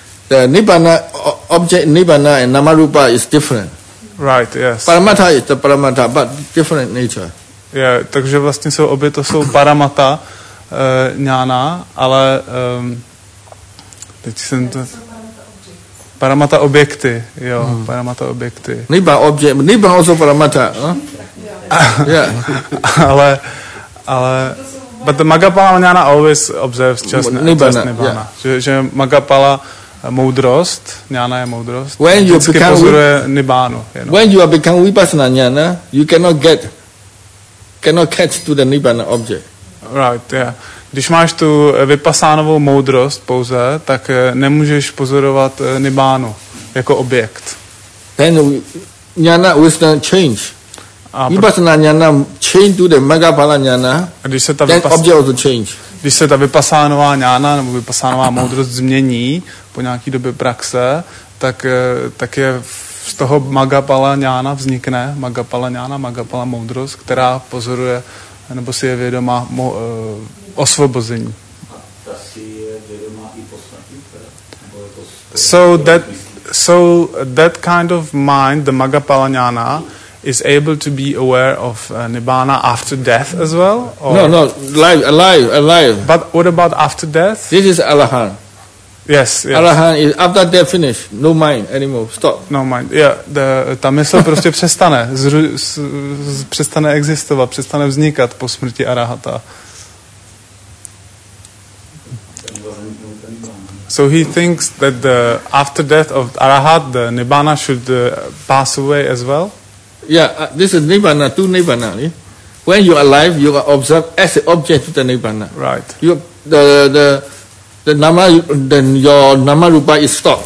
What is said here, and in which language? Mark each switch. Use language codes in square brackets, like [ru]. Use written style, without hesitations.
[en] The Nibbana, object Nibbana and namarupa is different. Right, yes. [cs] Paramata je to paramata, [en] but different nature. [cs] Yeah, takže vlastně jsou obě to jsou paramata jnana, ale teď jsem to... Paramata objekty, jo, paramata objekty. [en] Nibba objekt, nibba also paramata, no? Yeah. ale... But the Magapala jnana always observes just nibbana. Yeah. [cs] Že Magapala... moudrost, jnana je moudrost. [en] When you [cs] become pozoruje nibbánu. [en] When you are become vipassana jnana, you cannot catch to the nibbana object. Right, yeah. [cs] Když máš tu vipassanovou moudrost pouze, tak nemůžeš pozorovat nibbánu jako objekt. [en] Then jnana wisdom change. Vipassana jnana change to the magapala jnana, then object also change. [cs] Když se ta vipassanová jnana nebo vipassanová moudrost změní po nějaký době praxe, tak je z toho Magapala jnana vznikne Magapala jnana, Magapala moudrost, která pozoruje nebo si je vědoma osvobození. A ta si je vědoma i po smrti? [en] So that kind of mind, the Magapala jnana, is able to be aware of Nibbana after death as well? Or? No, alive. But what about after death? This is Arahant. Yes. Arahant is after death finish. No mind anymore. Stop. No mind. [cs] Yeah, ta mysl prostě přestane. Přestane existovat, přestane vznikat po smrti Arahata. [en] So he thinks that the after death of Arahat, the Nibbana should pass away as well? Yeah, this is Nibbana, two Nibbana. Yeah? When you are alive, you are observed as an object to the Nibbana. Right. Your nama rupa is stopped.